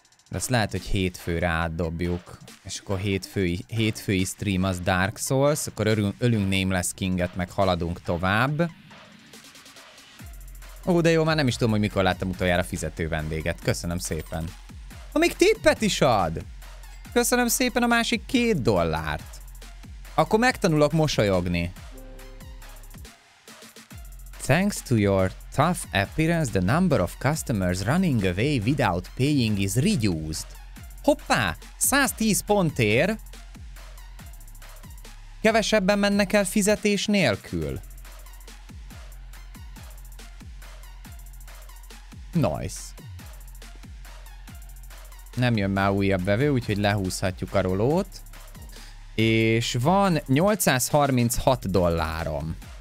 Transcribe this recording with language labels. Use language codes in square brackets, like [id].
[hu] De azt lehet, hogy hétfőre átdobjuk. És akkor hétfői stream az Dark Souls, akkor ölünk Nameless Kinget, meg haladunk tovább. Ó, de jó, már nem is tudom, hogy mikor láttam utoljára fizető vendéget. Köszönöm szépen. Még tippet is ad. Köszönöm szépen a másik $2. Akkor megtanulok mosolyogni. [en] Thanks to your tough appearance, the number of customers running away without paying is reduced. [hu] Hoppá, 110 pont ér. Kevesebben mennek el fizetés nélkül. [en] Nice. [hu] Nem jön már újabb vevő, úgyhogy lehúzhatjuk a rolót. És van 836 dollárom.